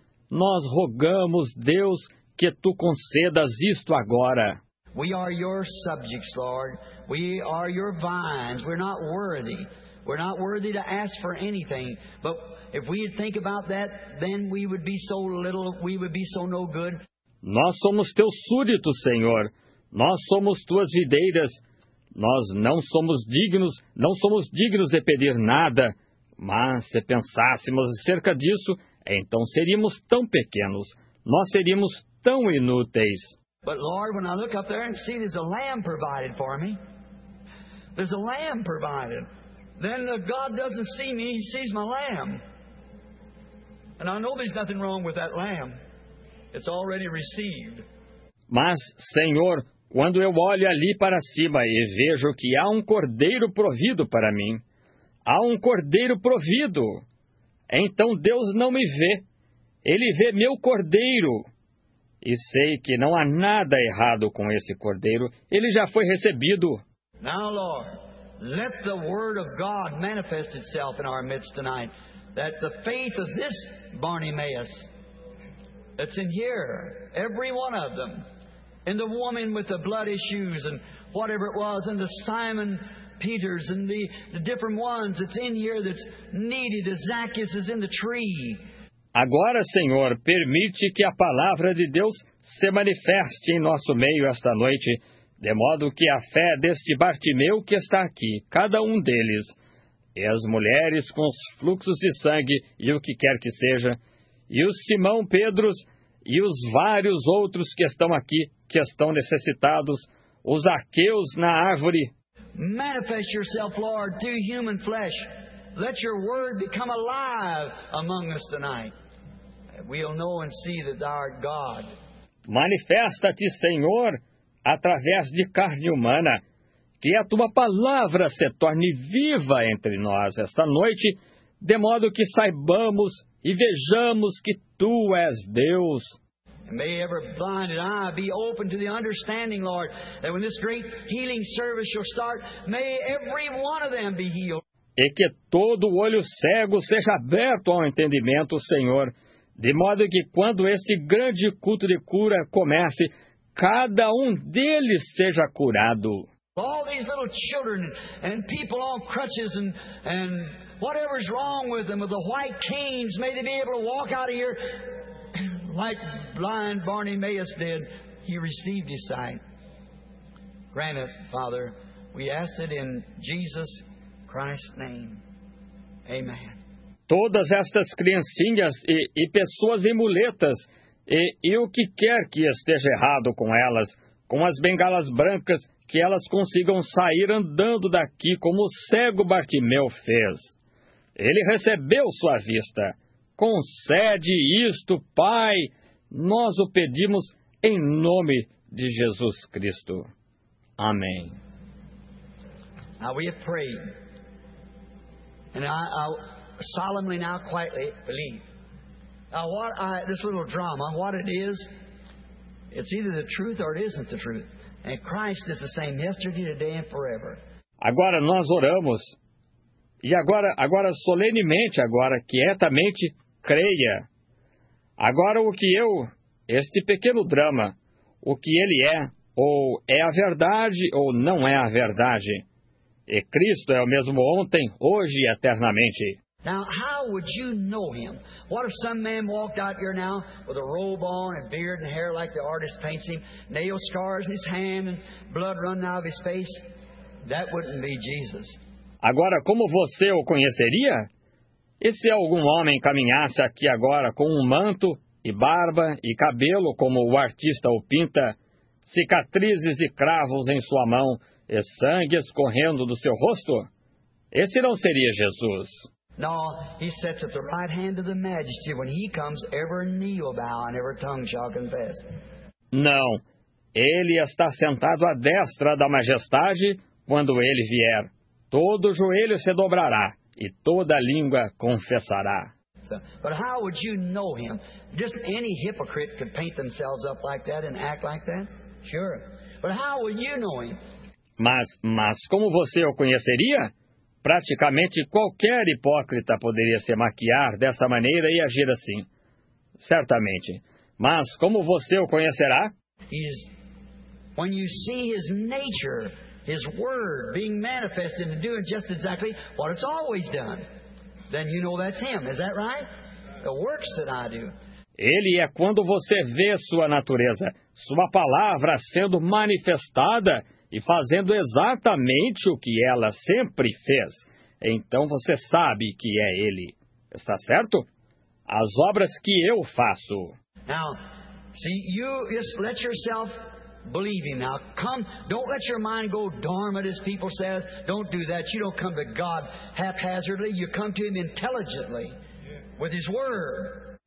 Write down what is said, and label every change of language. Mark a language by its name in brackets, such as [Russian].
[Portuguese] Nós rogamos, Deus, que Tu concedas isto agora. [English] We are Your subjects, Lord. We are Your vines. We're not worthy. We're not worthy to ask for anything. But if we think about that, then we would be so little, we would be so no good. [Portuguese] Nós somos Teus súditos, Senhor. Nós somos Tuas videiras. Nós não somos dignos de pedir nada. Mas se pensássemos acerca disso, então seríamos tão pequenos, nós seríamos tão inúteis. [English] But Lord, when I look up there and see there's a lamb provided for me, there's a lamb provided, then the God doesn't see me, He sees my lamb. And I know there's nothing wrong with that lamb. It's already received. [Portuguese] Mas, Senhor, quando eu olho ali para cima e vejo que há um cordeiro provido para mim, há um cordeiro provido. Então Deus não me vê. Ele vê meu cordeiro. E sei que não há nada errado com esse cordeiro. Ele já foi recebido. [English] Now, Lord, let the word of God manifest itself in our midst tonight. That the faith of this Bartimaeus that's in here, every one of them, and the woman with the blood issues and whatever it was, and the Simon Peters and the different ones that's in here that's needed. The Zacchaeus is in the tree. [Portuguese] Agora, Senhor, permite que a palavra de Deus se manifeste em nosso meio esta noite, de modo que a fé deste Bartimeu que está aqui, cada um deles, e as mulheres com os fluxos de sangue e o que quer que seja, e os Simão Pedros e os vários outros que estão aqui, que estão necessitados, os Zaqueus na árvore. [English] Manifest yourself, Lord, to human flesh. Let your word become alive among us tonight. We'll know and see that thou art God. [Portuguese] Manifesta-te, Senhor, através de carne humana, que a tua palavra se torne viva entre nós esta noite, de modo que saibamos e vejamos que tu és Deus. [English] May every blinded eye be open to the understanding, Lord, that when this great healing service shall start, may every one of them be healed. [Portuguese] E que todo olho cego seja aberto ao entendimento, Senhor, de modo que quando este grande culto de cura comece, cada um deles seja curado. [English] All these little children and people on crutches and whatever's wrong with them, with the white canes, may they be able to walk out of here like blind Bartimaeus did. He received his sight. Grant it, Father. We ask it in Jesus Christ's name. Amen. [Portuguese] Todas estas criancinhas e pessoas em muletas, e o que quer que esteja errado com elas, com as bengalas brancas, que elas consigam sair andando daqui como o cego Bartimeu fez. Ele recebeu sua vista. Concede isto, Pai. Nós o pedimos em nome de Jesus Cristo. Amém. [English] Now we have prayed. And I solemnly now quietly believe. Now what this little drama, what it is, it's either the truth or it isn't the truth. And Christ is the same yesterday, today and forever. [Portuguese] Agora nós oramos. E agora solenemente, agora quietamente, creia. Agora o que eu, este pequeno drama, o que ele é, ou é a verdade ou não é a verdade. E Cristo é o mesmo ontem, hoje e eternamente. [English] Now, how would you know him? What if some man walked out here now with a robe on and beard and hair like the artist paints him, nail scars in his hand and blood running out of his face? That wouldn't be Jesus. [Portuguese] Agora, como você o conheceria? E se algum homem caminhasse aqui agora com um manto e barba e cabelo como o artista o pinta, cicatrizes e cravos em sua mão e sangue escorrendo do seu rosto? Esse não seria Jesus. [English] No, he sits at the right hand of the majesty. When he comes, every knee will bow and every tongue shall confess. [Portuguese] Não, ele está sentado à destra da majestade quando ele vier. Todo joelho se dobrará e toda língua confessará. [English] So, but how would you know him? Just any hypocrite could paint themselves up like that and act like that? Sure. But how would you know him? [Portuguese] Mas como você o conheceria? Praticamente qualquer hipócrita poderia se maquiar dessa maneira e agir assim. Certamente. Mas como você o conhecerá? [English] When you see his nature, his word being manifested and doing just exactly what it's always done, then you know that's him. Is that right? The works that I do. [Portuguese] Ele é quando você vê sua natureza, sua palavra sendo manifestada e fazendo exatamente o que ela sempre fez. Então você sabe que é ele. Está certo? As obras que eu faço. [English] Now, see, you just let yourself believe him. Now, come, don't let your mind go dormant, as people say. Don't do that. You don't come to God haphazardly. You come to him intelligently, with his word.